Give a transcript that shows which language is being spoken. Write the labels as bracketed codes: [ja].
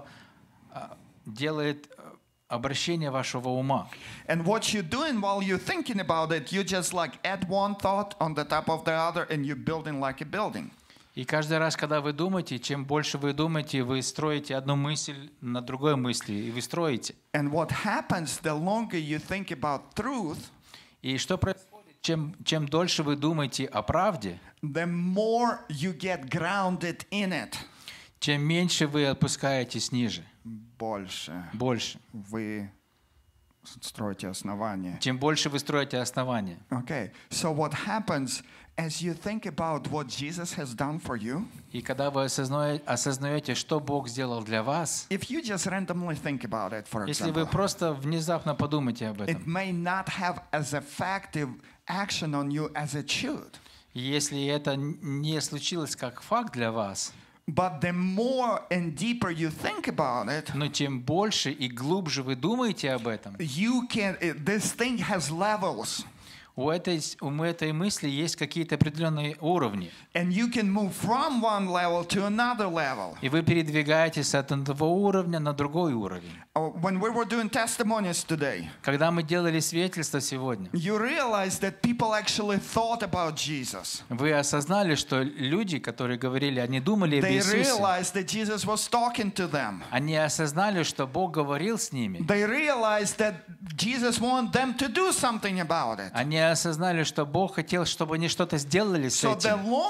[ru] Это слово делает обращение вашего ума. [en] And what you're doing while you're thinking about it, you just like add one thought on the top of the other, and you're building like a building. [ru] И каждый раз, когда вы думаете, чем больше вы думаете, вы строите одну мысль на другой мысли, и вы строите. [en] And what happens the longer you think about truth? [ru] И что происходит, чем дольше вы думаете о правде? [en] The more you get grounded in it. [ru] Чем меньше вы опускаетесь ниже. Больше. Вы строите основание. Чем больше вы строите основание. [en] Okay. So what happens as you think about what Jesus has done for you? [ru] И когда вы осознаете, что Бог сделал для вас? [en] If you just randomly think about it, for example. [ru] Если вы просто внезапно подумаете об этом. [en] It may not have as effective action on you as it should. [ru] Если это не случилось как факт для вас. [en] But the more and deeper you think about it, [ru] но чем больше и глубже вы думаете об этом, [en] you can, this thing has levels. [ru] У этой мысли есть какие-то определенные уровни. [en] And you can move from one level to another level. [ru] И вы передвигаетесь от одного уровня на другой уровень. [en] When we were doing testimonies today, [ru] когда мы делали свидетельство сегодня, [en] you realize that people actually thought about Jesus. [ru] Вы осознали, что люди, которые говорили, они думали об Иисусе. [en] They realized that Jesus was talking to them. [ru] Они осознали, что Бог говорил с ними. [en] They realized that Jesus wanted them to do something about it. [ru] Они осознали, что Бог хотел, чтобы они что-то сделали с этим.